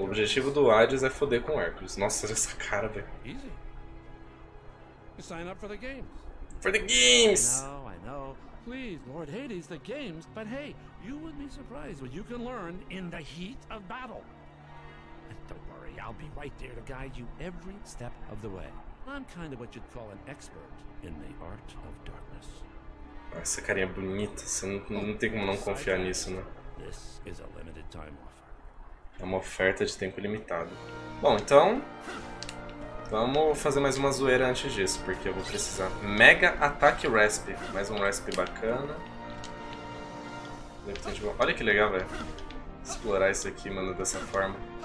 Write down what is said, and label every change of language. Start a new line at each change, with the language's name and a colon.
Portuguese: O objetivo do Hades é foder com o Hércules. Nossa, olha essa cara, velho.
English: Easy. You sign up for the games. For the games! I know. Please, Lord Hades, the games. But hey, you would be surprised what you can learn in the heat of battle. And don't worry, I'll be right there to guide you every step of the way. I'm kind of what you'd call an expert in the art of darkness.
Portuguese: Essa carinha é bonita, você não tem como não confiar nisso, né?
English: This is a limited time offer.
Portuguese: É uma oferta de tempo limitado. Bom, então, vamos fazer mais uma zoeira antes disso, porque eu vou precisar. Mega Attack Resp, mais um Resp bacana. Olha que legal, velho. Explorar isso aqui, mano, dessa forma.